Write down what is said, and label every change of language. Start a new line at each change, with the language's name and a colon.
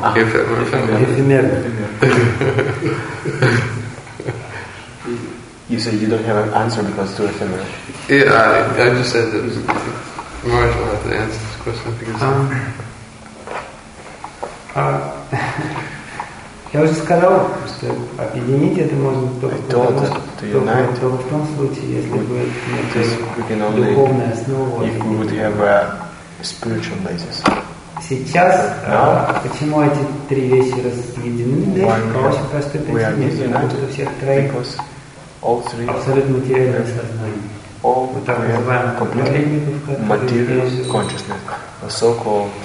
English: Ephemeral. You say you don't have an answer because it's too ephemeral. Yeah, I just said that Maharaj will have to answer this question because.
Russian: Я уже сказал, что объединить это можно только в том случае, если бы духовная основа.
English: If we would have a spiritual basis.
Russian: Сейчас почему эти три вещи разъединены? Очень простой причине, потому что всех троих абсолютно материальное сознание.
English: All three completely material consciousness, the so-called